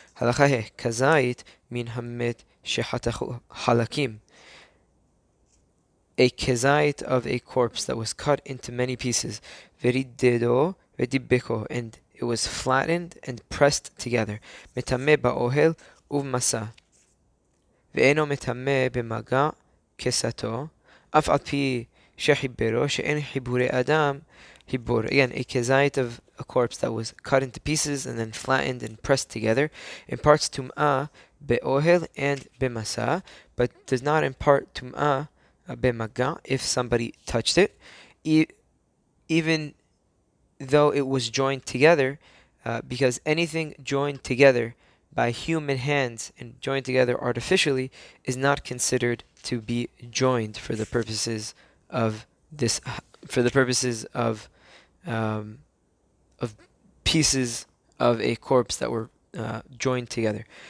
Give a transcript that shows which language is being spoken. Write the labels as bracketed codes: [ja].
[he] Halacha he, kazayit min hamet shehatachu halakim. [en] A kazayit of a corpse that was cut into many pieces. [he] Veridedo vedibbeko, [en] and it was flattened and pressed together. [he] Metame ba'ohel uv masa. ואינו מטמא במגע כסתו, אף על פי שחיברו, שאין חיבורי אדם, חיבור. [en] Again, a kezayit of a corpse that was cut into pieces and then flattened and pressed together imparts tum'ah be'ohel and be'masa, but does not impart tum'ah be'maga if somebody touched it, even though it was joined together, because anything joined together by human hands and joined together artificially is not considered to be joined for the purposes of this, for the purposes of pieces of a corpse that were joined together.